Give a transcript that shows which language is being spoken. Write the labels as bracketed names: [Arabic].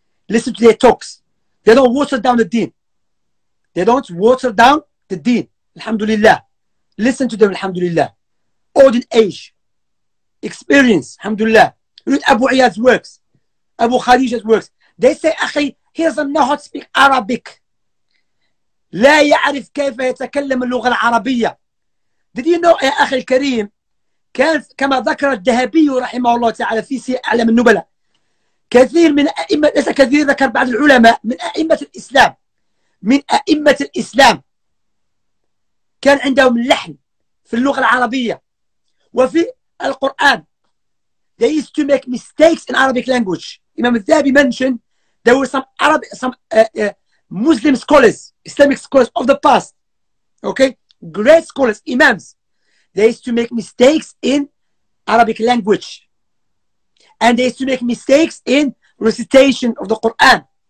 [English] Listen to their talks. They don't water down the deen. They don't water down the deen. Alhamdulillah. Listen to them, alhamdulillah. Old in age. Experience, alhamdulillah. Read Abu Iyad's works. Abu Khadija's works. They say, akhi, he doesn't know how to speak Arabic. [Arabic] لا يعرف كيف يتكلم اللغة العربية. [English] Did you know, akhi al-Kareem, [Arabic] كان كما ذكر الذهبي رحمه الله تعالى في سير اعلام النبلاء كثير من ائمه ليس كثير ذكر بعض العلماء من ائمه الاسلام من ائمه الاسلام كان عندهم لحن في اللغه العربيه وفي القران [English] they used to make mistakes in Arabic language. Imam al-Dhahabi mentioned there were some Arabic Muslim scholars, Islamic scholars of the past, okay, great scholars, imams. They used to make mistakes in Arabic language. And they used to make mistakes in recitation of the Quran.